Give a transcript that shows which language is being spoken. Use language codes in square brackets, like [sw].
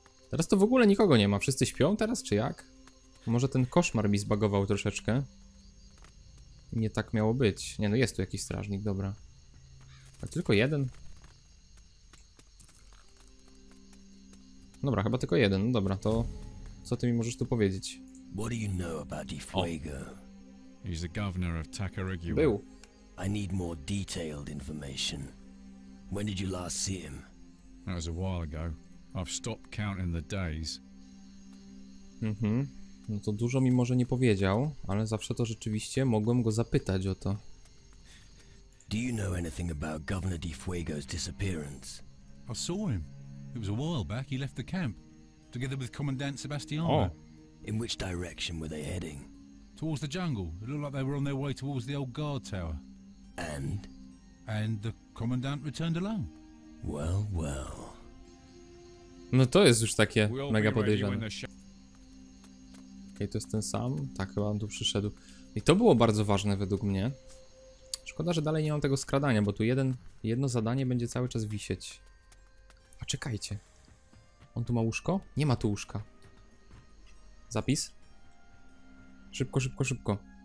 [pl] Teraz to w ogóle nikogo nie ma. Wszyscy śpią teraz, czy jak? Może ten koszmar mi zbugował troszeczkę. Nie tak miało być. Nie, no jest tu jakiś strażnik, dobra. A tylko jeden? Dobra, chyba tylko jeden. No dobra, to co ty mi możesz tu powiedzieć? [en] What do you know about Ifuego? He's the governor of Takarigi. [pl] Był. [en] I need more detailed information. When did you last see him? That was a while ago. I've stopped counting the days. Mhm. [pl] No to dużo mi może nie powiedział, ale zawsze to rzeczywiście mogłem go zapytać o to. [en] Do you know anything about Governor Ifuego's disappearance? I saw him. It was a while back, he left the camp, together with Commandant Sebastiano. Oh. In which direction were they heading? Towards the jungle. It looked like they were on their way towards the old guard tower. And? And the Commandant returned alone. Well, well. [pl] No to jest już takie mega podejrzane. Okej, to jest ten sam? Tak, chyba on tu przyszedł. I to było bardzo ważne według mnie. Szkoda, że dalej nie mam tego skradania, bo tu jedno zadanie będzie cały czas wisieć. A czekajcie. On tu ma łóżko? Nie ma tu łóżka. Zapis? Szybko, szybko, szybko.